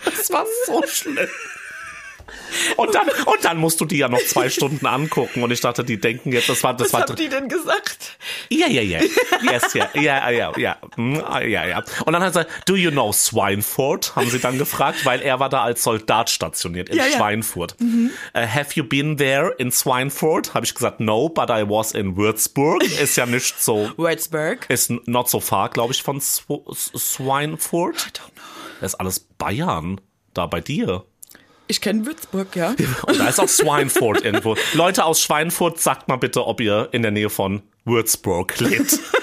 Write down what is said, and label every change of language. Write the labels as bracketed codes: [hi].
[de] Das war so schlimm. Und dann musst du die ja noch 2 Stunden angucken. Und ich dachte, die denken jetzt, das war. Was haben die denn gesagt? Ja. Yes, ja. Und dann hat er gesagt, [en] do you know Schweinfurt? [de] Haben sie dann gefragt, weil er war da als Soldat stationiert in Schweinfurt. Mhm. [en] Have you been there in Schweinfurt? [de] Habe ich gesagt, [en] no, but I was in Würzburg. [de] Ist ja nicht so. Würzburg? Ist [en] not so far, [de] glaube ich, von Schweinfurt. [en] I don't know. [de] Das ist alles Bayern, da bei dir. Ich kenne Würzburg, ja. Und da ist auch Schweinfurt irgendwo. Leute aus Schweinfurt, sagt mal bitte, ob ihr in der Nähe von Würzburg lebt.